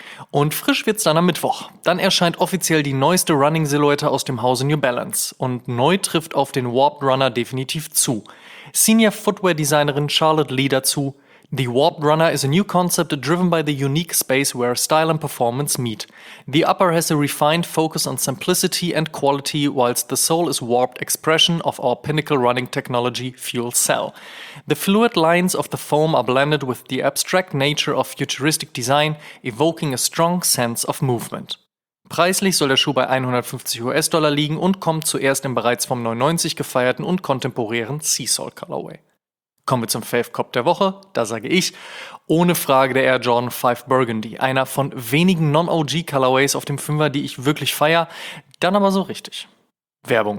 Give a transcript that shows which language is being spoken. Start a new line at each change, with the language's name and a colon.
German: Und frisch wird's dann am Mittwoch. Dann erscheint offiziell die neueste Running-Silhouette aus dem Hause New Balance. Und neu trifft auf den Warped Runner definitiv zu. Senior Footwear-Designerin Charlotte Lee dazu.
English: The Warped Runner is a new concept driven by the unique space where style and performance meet. The upper has a refined focus on simplicity and quality, whilst the sole is warped expression of our pinnacle running technology, Fuel Cell. The fluid lines of the foam are blended with the abstract nature of futuristic design, evoking a strong sense of movement.
German: Preislich soll der Schuh bei 150 US-Dollar liegen und kommt zuerst im bereits vom 99 gefeierten und kontemporären Seasol Colorway. Kommen wir zum Fave-Cop der Woche. Da sage ich, ohne Frage der Air Jordan 5 Burgundy. Einer von wenigen Non-OG-Colorways auf dem Fünfer, die ich wirklich feiere. Dann aber so richtig. Werbung.